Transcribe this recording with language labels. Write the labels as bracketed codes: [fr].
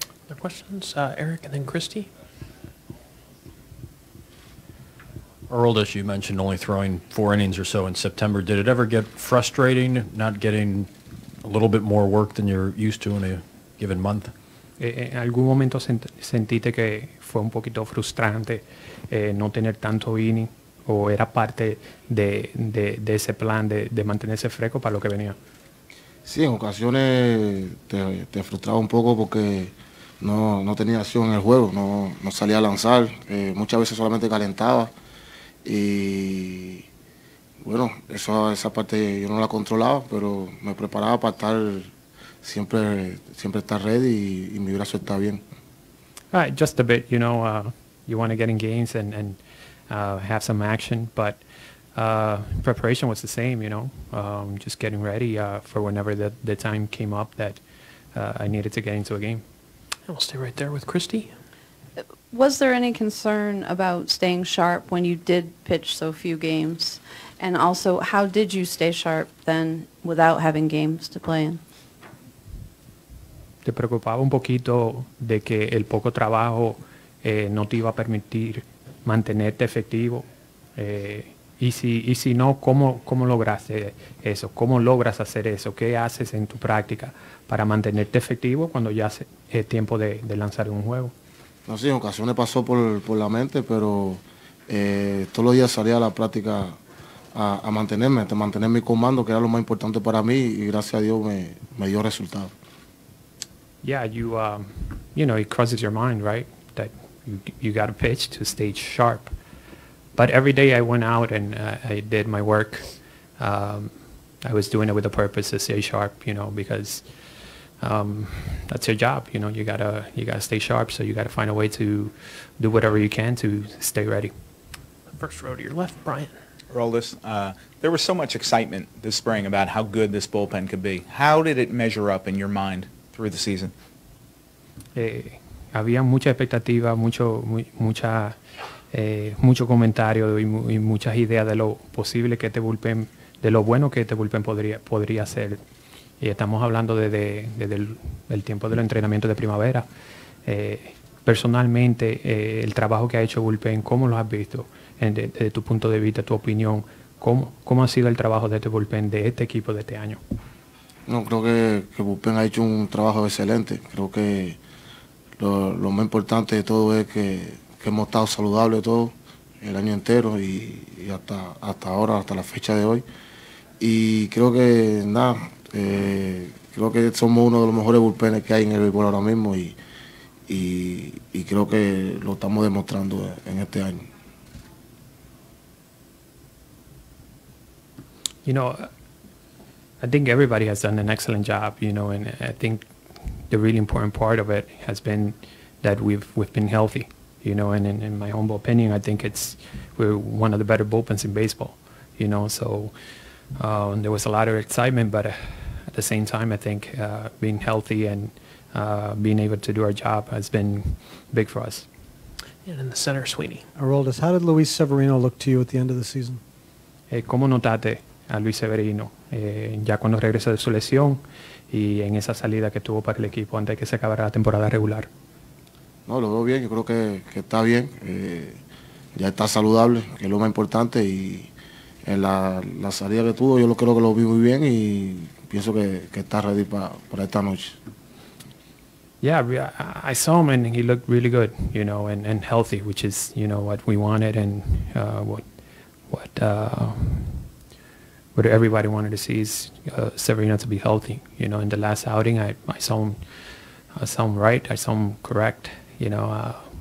[en] Other questions, Eric, and then Christy. Aroldis, you mentioned only throwing 4 innings or so in September. Did it ever get frustrating not getting a little bit more work than you're used to in a given month? [es] En algún momento sentiste que fue un poquito frustrante no tener tanto inning, o era parte de ese plan de mantenerse fresco para lo que venía. Sí, en ocasiones te frustraba un poco porque no tenía acción en el juego, no salía a lanzar, muchas veces solamente calentaba y bueno, esa parte yo no la controlaba, pero me preparaba para estar siempre está ready y mi brazo está bien. [en] Just a bit, you know, you want to get in games and have some action, but preparation was the same, you know, just getting ready for whenever the time came up that I needed to get into a game. We'll stay right there with Christy. Was there any concern about staying sharp when you did pitch so few games? And also, how did you stay sharp then without having games to play in? [es] ¿Te preocupaba un poquito de que el poco trabajo no te iba a permitir mantenerte efectivo? Y si no, ¿cómo lograste eso? ¿Cómo logras hacer eso? ¿Qué haces en tu práctica para mantenerte efectivo cuando ya es tiempo de lanzar un juego? No, sí, en ocasiones pasó por la mente, pero todos los días salía a la práctica a mantener mi comando, que era lo más importante para mí, y gracias a Dios me dio resultado. [en] Yeah, you know, it crosses your mind, right? That you got to pitch to stay sharp. But every day I went out and I did my work. I was doing it with a purpose to stay sharp, you know, because that's your job, you know. You gotta stay sharp, so you gotta find a way to do whatever you can to stay ready. First row to your left, Brian. Aroldis, there was so much excitement this spring about how good this bullpen could be. How did it measure up in your mind through the season? [es] Había mucha expectativa, mucho comentario y muchas ideas de lo posible que este bullpen, de lo bueno que este bullpen podría ser. Y estamos hablando desde el tiempo del entrenamiento de primavera. Personalmente, el trabajo que ha hecho bullpen, ¿cómo lo has visto? De tu punto de vista, tu opinión, ¿cómo ha sido el trabajo de este bullpen, de este equipo de este año? No, creo que bullpen ha hecho un trabajo excelente. Creo que lo más importante de todo es que hemos estado saludables todo el año entero y hasta ahora, hasta la fecha de hoy. Y creo que nada, creo que somos uno de los mejores bullpenes que hay en el béisbol ahora mismo y creo que lo estamos demostrando en este año. [en] You know, I think everybody has done an excellent job, you know, and I think the really important part of it has been that we've been healthy, you know, and in my humble opinion, I think we're one of the better bullpens in baseball, you know, so there was a lot of excitement, but at the same time, I think being healthy and being able to do our job has been big for us. And in the center, Sweeney. Aroldis, how did Luis Severino look to you at the end of the season? [es] ¿Cómo notaste a Luis Severino ya cuando regresó de su lesión y en esa salida que tuvo para el equipo antes de que se acabara la temporada regular? No, lo veo bien, yo creo que está bien, ya está saludable, que es lo más importante, y en la salida que tuvo yo creo que lo vi muy bien y pienso que está ready para esta noche. [en] Yeah, I saw him and he looked really good, you know, and healthy, which is, you know, what we wanted and what everybody wanted to see is Severino to be healthy, you know. In the last outing, I saw him correct, you know.